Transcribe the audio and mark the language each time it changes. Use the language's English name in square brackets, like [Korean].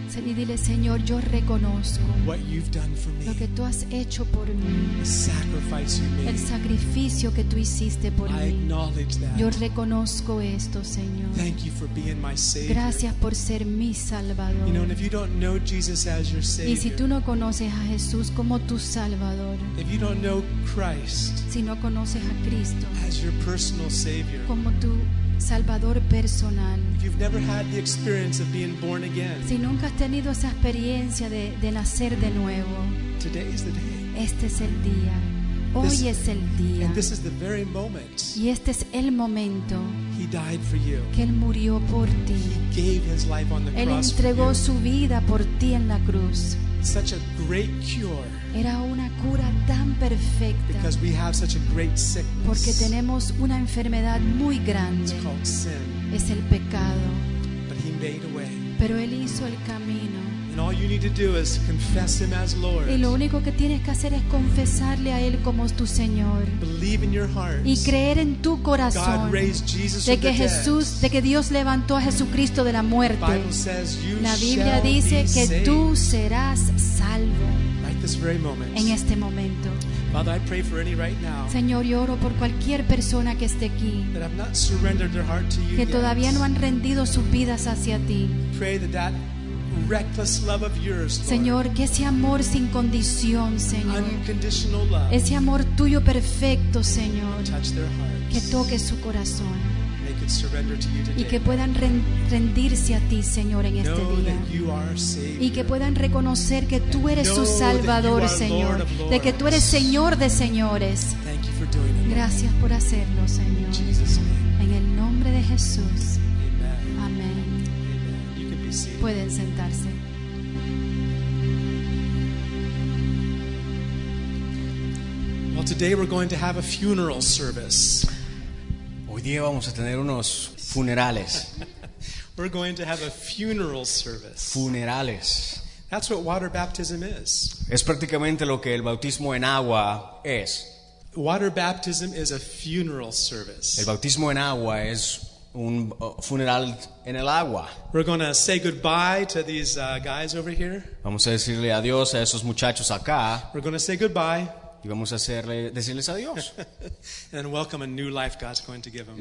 [Spanish] Y dile, Señor, yo reconozco [English] what you've done for me, [Spanish] lo que tú has hecho por mí, [English] the sacrifice you made, [Spanish] el sacrificio que tú hiciste por [English] I [Spanish] mí. [English] Acknowledge that. [Spanish] Yo reconozco esto, Señor. [English] Thank you for being my Savior. [Spanish] Gracias por ser mi Salvador. [English] You know, and if you don't know Jesus as your Savior, [Spanish] y si tú no conoces a Jesús como tu Salvador, [English] if you don't know Christ, [Spanish] si no conoces a Cristo [English] as your personal Savior, [Spanish] como tu Salvador personal, [English] if you've never had the experience of being born again, [Spanish] si nunca has tenido esa experiencia de nacer de nuevo, [English] today is the day. [Spanish] Este es el día. Hoy es el día. [English] And this is the very moment. [Spanish] Y este es el momento. [English] He died for you. [Spanish] Que él murió por ti. [English] He gave his life on the [Spanish] él [English] cross. [Spanish] Él entregó [English] for you. [Spanish] Su vida por ti en la cruz. [English] Such a great cure. [Spanish] Era una cura tan perfecta. [English] Because we have such a great sickness. [Spanish] Porque tenemos una enfermedad muy grande. [English] It's called sin. [Spanish] Es el pecado. [English] But he made a way. [Spanish] Pero él hizo el camino. [English] And all you need to do is confess him as Lord. [Spanish] Y lo único que tienes que hacer es confesarle a él como tu Señor. [English] Believe in your heart. [Spanish] Y creer en tu corazón. [English] God raised Jesus [Spanish] de que Jesús, [English] the dead. [Spanish] De que Dios levantó a Jesucristo de la muerte. [English] The Bible says you [Spanish] la Biblia dice [English] shall be [Spanish] que [English] saved. [Spanish] Tú serás salvo. [English] This very moment. [Spanish] En este momento. [English] Father, I pray for any right now. [Spanish] Señor, yo oro por cualquier persona que esté aquí. [English] That have not surrendered their heart to you. [Spanish] Que [English] yet. [Spanish] Todavía no han rendido sus vidas hacia ti. [English] Pray that that reckless love of yours, Lord. [Spanish] Señor, que ese amor sin condición, Señor. [English] Unconditional love. [Spanish] Ese amor tuyo perfecto, Señor. [English] Touch their hearts. [Spanish] Que toque su corazón. [English] Make it surrender to you today. [Spanish] Y que puedan rendirse a ti, Señor, en este [English] know [Spanish] día. [English] That you are Savior. [Spanish] Y que puedan reconocer que tú eres su Salvador, Señor. [English] Lord of Lords. [Spanish] De que tú eres Señor de señores. [English] Thank you for doing it. [Spanish] Gracias por hacerlo, Señor. [English] In Jesus' name. [Spanish] En el nombre de Jesús. Amén. Pueden sentarse. [English] Well, today we're going to have a funeral service. [Spanish] Hoy día vamos a tener unos funerales. [English] We're going to have a funeral service. [Spanish] Funerales. [English] That's what water baptism is. [Spanish] Es prácticamente lo que el bautismo en agua es. [English] Water baptism is a funeral service. [Spanish] El bautismo en agua es un funeral en el agua. [English] We're going to say goodbye to these guys over here. [Spanish] Vamos a decirle adiós a esos muchachos acá. [English] We're going to say goodbye. [Spanish] Y vamos a decirles adiós. [English] And welcome a new life God's going to give them.